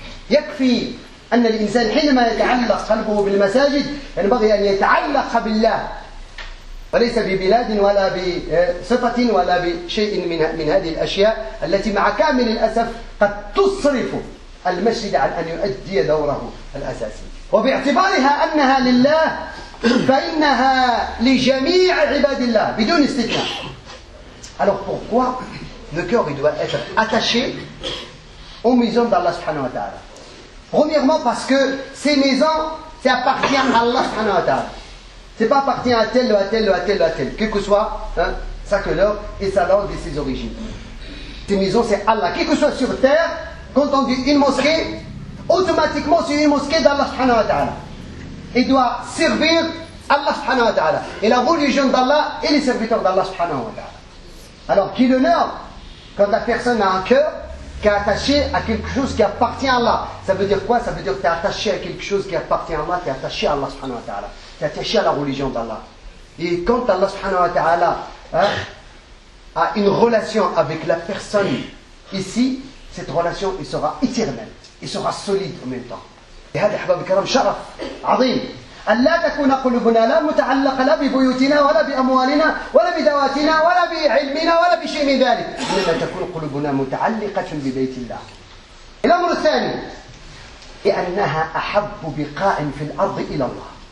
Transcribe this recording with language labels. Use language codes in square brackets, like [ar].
[ar] يكفي أن الإنسان حينما يتعلق قلبه بالمساجد ينبغي أن يتعلق بالله وليس ببلاد ولا بصفة ولا بشيء من هذه الأشياء التي مع كامل الأسف قد تصرف المسجد عن أن يؤدي دوره الأساسي. وباعتبارها أنها لله فإنها لجميع عباد الله بدون استثناء. [fr] Alors pourquoi le cœur il doit être attaché aux maisons d'Allah subhanahu wa ta'ala? Premièrement parce que ces maisons, ça appartient à Allah subhanahu wa ta'ala. C'est pas appartient à tel ou à tel ou à tel ou à tel, quel que soit sa couleur et sa langue et ses origines. Ces maisons, c'est Allah. Quel que soit sur terre, quand on dit une mosquée, automatiquement c'est une mosquée d'Allah subhanahu wa ta'ala. Il doit servir Allah subhanahu wa ta'ala. Et la religion d'Allah et les serviteurs d'Allah subhanahu wa ta'ala. Alors, qui l'honore quand la personne a un cœur qui est attaché à quelque chose qui appartient à Allah. Ça veut dire quoi? Ça veut dire que tu es attaché à quelque chose qui appartient à Allah, tu es attaché à Allah subhanahu wa ta'ala. Tu es attaché à la religion d'Allah. Et quand Allah subhanahu wa ta'ala a une relation avec la personne ici, cette relation il sera éternelle. Il sera solide en même temps. Et [ar] هذا حباب الكرام شرف عظيم. ألا تكون قلوبنا لا متعلقة لا ببيوتنا ولا بأموالنا ولا بدواتنا ولا بعلمنا ولا بشيء من ذلك، إنما تكون قلوبنا متعلقة ببيت الله. الأمر الثاني لأنها أحب بقاع في الأرض إلى الله.